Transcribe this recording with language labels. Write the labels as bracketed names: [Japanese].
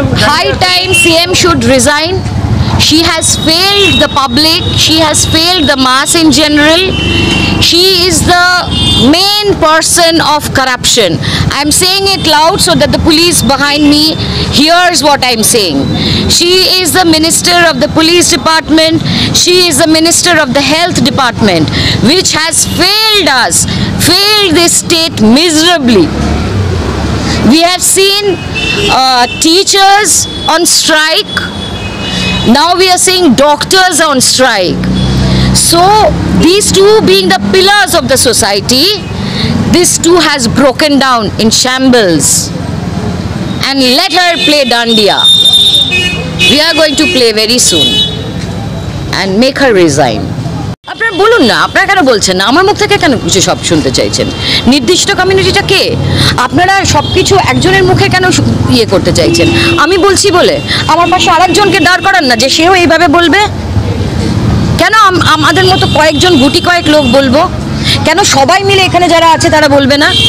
[English] High time CM should resign. She has failed the public, she has failed the mass in general, she is the main person of corruption. I am saying it loud so that the police behind me hears what I am saying. She is the minister of the police department. She is the minister of the health department, which has failed us, failed this state miserably. We have seen teachers on strike. Now we are seeing doctors on strike. So these two being the pillars of the society, this too has broken down in shambles. And let her play Dandiya. We are going to play very soon and make her resign. [Bangla] আপনারা বলুন না, আপনারা কেন বলছেন না? আমার মুখ থেকে কেন কিছু সব শুনতে চাইছেন? নির্দিষ্ট কমিউনিটিটা কে? আপনারা সব কিছু একজনের মুখে কেন ইয়ে করতে চাইছেন? আমি বলছি বলে আমার পাশে আরেকজনকে দাঁড় করান না যে সেও এইভাবে বলবে? কেন আমাদের মতো কয়েকজন গুটি কয়েক লোক বলবো? কেন সবাই মিলে এখানে যারা আছে তারা বলবে না?